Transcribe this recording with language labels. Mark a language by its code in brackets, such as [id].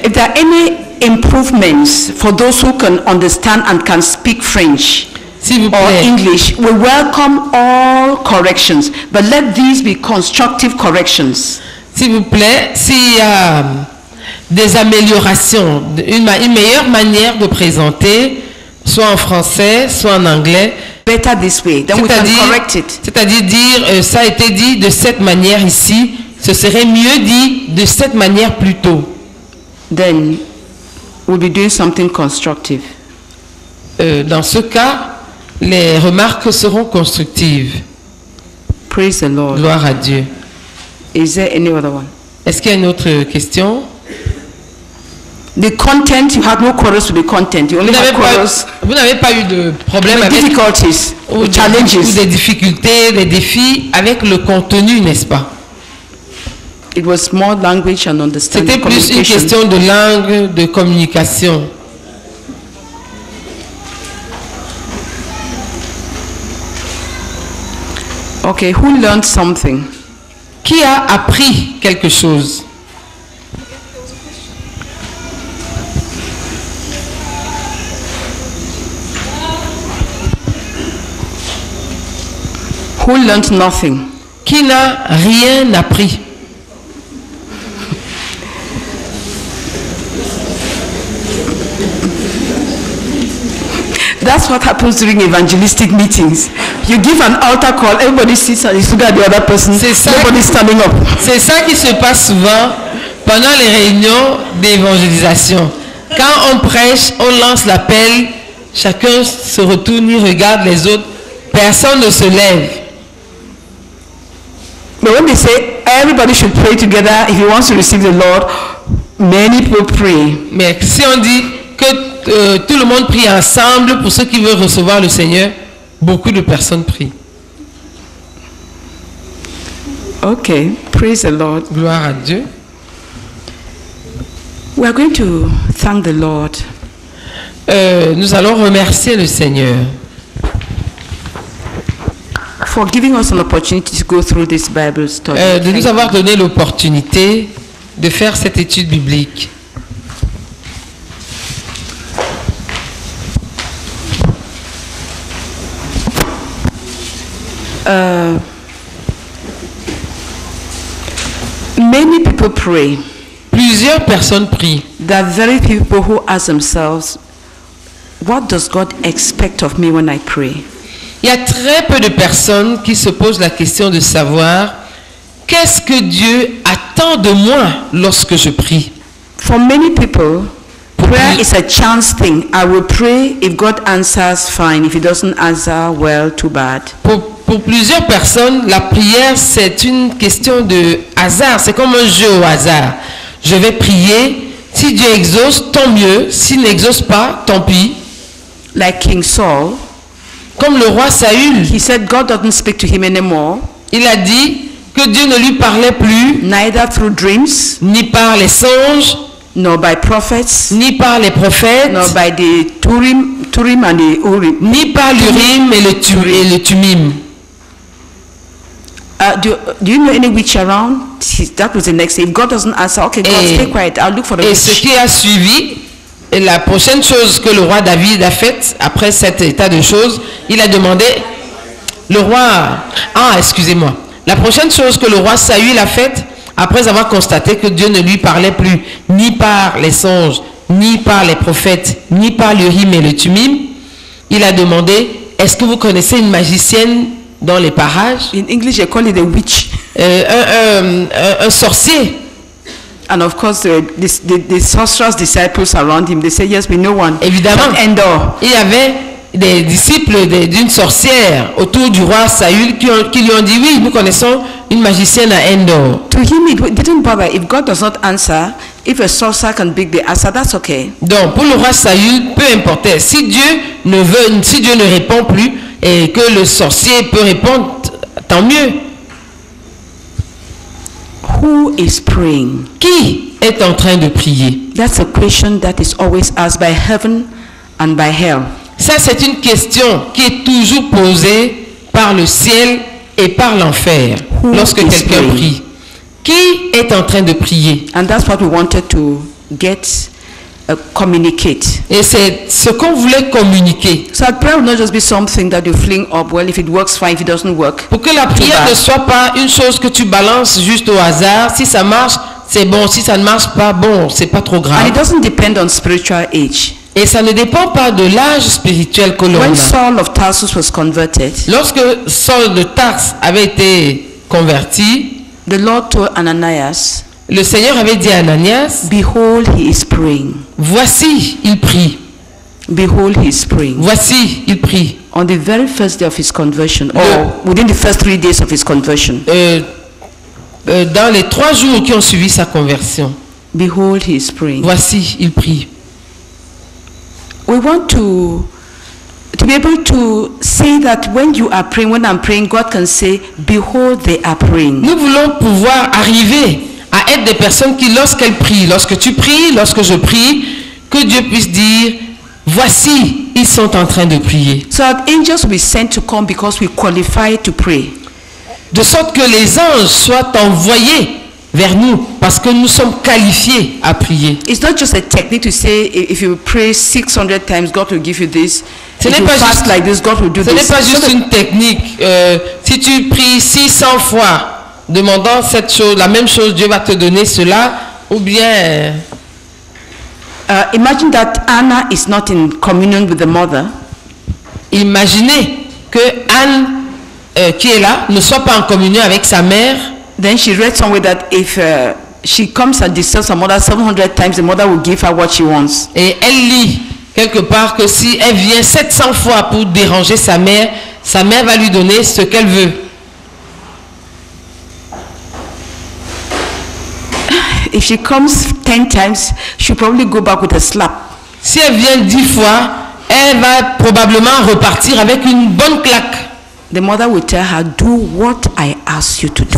[en] if there are any improvements for those who can understand and can speak French, [fr] s'il vous plaît, [en] or English, we welcome all corrections, but let these be constructive corrections. [fr] S'il vous plaît, s'il y a des améliorations, une meilleure manière de présenter, soit en français, soit en anglais. [en] Better this way, then we can correct it. [fr] C'est-à-dire dire ça a été dit de cette manière ici, ce serait mieux dit de cette manière plus tôt. [en] Then we'll be doing something constructive. [fr] Dans ce cas, les remarques seront constructives. [en] Praise the Lord. [fr] Gloire à Dieu. [en] Is there any other one? [fr] Est-ce qu'il y a une autre question? [en] The content, you had no quarrels with the content. You only had quarrels. [fr] Vous n'avez pas eu de problème avec [en] difficulties, [fr] ou [en] the challenges, [fr] ou des difficultés, des défis avec le contenu, n'est-ce pas? [en] It was more language and understanding. [fr] C'était plus une question de langue, de communication. [en] Okay, who learned something? [fr] Qui a appris quelque chose? [en] Who learned nothing? [fr] Qui n'a rien appris? [en] That's what happens during evangelistic meetings. You give an altar call, everybody sits and you look at the other person, nobody standing up. [fr] C'est ça qui se passe souvent pendant les réunions d'évangélisation. Quand on prêche, on lance l'appel, chacun se retourne, il regarde les autres, personne ne se lève. [en] But when they say everybody should pray together if he wants to receive the Lord, many people pray. [fr] Mais si on dit que tout le monde prie ensemble pour ceux qui veulent recevoir le Seigneur, beaucoup de personnes prient. [en] Okay, praise the Lord. [fr] Gloire à Dieu. [en] We are going to thank the Lord. [fr] Nous allons remercier le Seigneur. [en] For giving us an opportunity to go through this Bible study. [fr] De nous avoir donné l'opportunité de faire cette étude biblique. [en] Many people pray. [fr] Plusieurs personnes prient. [en] There are very few people who ask themselves, what does God expect of me when I pray? [fr] Il y a très peu de personnes qui se posent la question de savoir qu'est-ce que Dieu attend de moi lorsque je prie. [en] For many people, prayer is a chance thing. I will pray if God answers, fine. If He doesn't answer, well, too bad. [fr] Pour plusieurs personnes, la prière c'est une question de hasard. C'est comme un jeu au hasard. Je vais prier. Si Dieu exauce, tant mieux. S'il n'exauce pas, tant pis. [en] Like King Saul. [fr] Comme le roi Saül, [en] he said God doesn't speak to him anymore. [fr] Il a dit que Dieu ne lui parlait plus, [en] neither through dreams, [fr] ni par les songes, [en] nor by prophets, [fr] ni par les prophètes, [en] nor by the Turim and the Urim, [fr] ni par l'Urim et le Tumim. [en] Do you know any witch around? That was the next thing. If God doesn't answer, okay, God, stay quiet. I'll look for the witch. [fr] Et ce qui a suivi. Et la prochaine chose que le roi David a faite, après cet état de choses, il a demandé, la prochaine chose que le roi Saül a faite, après avoir constaté que Dieu ne lui parlait plus, ni par les songes, ni par les prophètes, ni par l'Urim et le Tumim, il a demandé, est-ce que vous connaissez une magicienne dans les parages? [en] In English, they call it a witch. [fr] Un sorcier. [en] And of course, the sorcerer's disciples around him, they say, yes, we know one. [fr] Évidemment, Tendo. Il y avait des disciples d'une sorcière autour du roi Saül qui lui ont dit, oui, nous connaissons une magicienne à Tendo. [en] To him, it didn't bother. If God does not answer, if a sorcerer can beat the answer, that's okay. [fr] Donc, pour le roi Saül, peu importe. Si Dieu ne veut, si Dieu ne répond plus et que le sorcier peut répondre, tant mieux. [en] Who is praying? [fr] Qui est en train de prier? [en] That's a question that is always asked by heaven and by hell. [fr] Ça, c'est une question qui est toujours posée par le ciel et par l'enfer. [en] Who [fr] lorsque [en] is [fr] quelqu'un [en] praying? [fr] Prie. Qui est en train de prier? [en] And that's what we wanted to get communicate. [fr] Et c'est ce qu'on voulait communiquer. [en] So that prayer will not just be something that you fling up. Well, if it works, fine. If it doesn't work, [fr] pour que la prière ne soit pas une chose que tu balances juste au hasard. Si ça marche, c'est bon. Si ça ne marche pas, bon, c'est pas trop grave. [en] And it doesn't depend on spiritual age. [fr] Et ça ne dépend pas de l'âge spirituel que l'on [en] When a. When Saul of Tarsus was converted, [fr] lorsque Saul de Tars avait été converti, [en] the Lord told Ananias. [fr] Le Seigneur avait dit à Ananias, [en] Behold, he is praying. [fr] Voici, il prie. [en] Behold, he is praying. [fr] Voici, il prie. [en] On the very first day of his conversion, or within the first 3 days of his conversion. [fr] Dans les 3 jours qui ont suivi sa conversion. [en] Behold, he is praying. [fr] Voici, il prie. [en] We want to be able to say that when you are praying, when I'm praying, God can say, Behold, they are praying. [fr] Nous voulons pouvoir arriver à être des personnes qui, lorsqu'elles prient, lorsque tu pries, lorsque je prie, que Dieu puisse dire, voici, ils sont en train de prier. [en] So that angels will be sent to come because we qualify to pray. [fr] de sorte que les anges soient envoyés vers nous parce que nous sommes qualifiés à prier. [en] It's not just a technique to say if you pray 600 times God will give you this. [fr] Ce n'est pas juste [en] like this, God will do this. [fr] Ce n'est pas juste une technique. Si tu pries 600 fois demandant cette chose, la même chose, Dieu va te donner cela, ou bien [en] Imagine that Anna is not in communion with the mother. [fr] Imaginez que Anne qui est là ne soit pas en communion avec sa mère. [en] Then she read somewhere that if she comes and disturbs her mother 700 times, the mother will give her what she wants. [fr] Et elle lit quelque part que si elle vient 700 fois pour déranger sa mère va lui donner ce qu'elle veut. [en] If she comes 10 times, she'll probably go back with a slap. [fr] Si elle vient 10 fois, elle va probablement repartir avec une bonne claque. [en] The mother will tell her, "Do what I ask you to do."